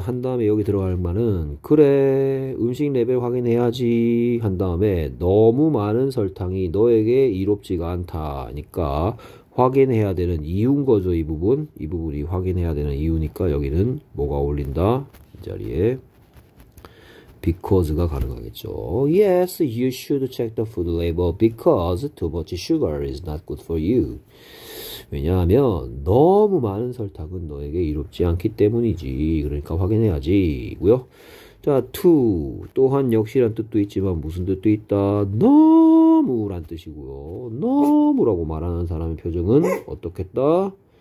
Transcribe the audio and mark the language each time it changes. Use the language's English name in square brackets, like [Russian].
[Korean] 한 다음에 여기 들어갈 말은, 그래, 음식 레벨 확인해야지. 한 다음에, 너무 많은 설탕이 너에게 이롭지가 않다니까, 확인해야 되는 이유인 거죠, 이 부분. 이 부분이 확인해야 되는 이유니까, 여기는 뭐가 어울린다? 이 자리에. Because가 가능하겠죠. [English] Yes, you should check the food label because too much sugar is not good for you. [Korean] 왜냐하면 너무 많은 설탕은 너에게 이롭지 않기 때문이지. 그러니까 확인해야지고요. 자, to 또한 역시란 뜻도 있지만 무슨 뜻도 있다. 너무란 뜻이고요. 너무라고 말하는 사람의 표정은 어떻겠다?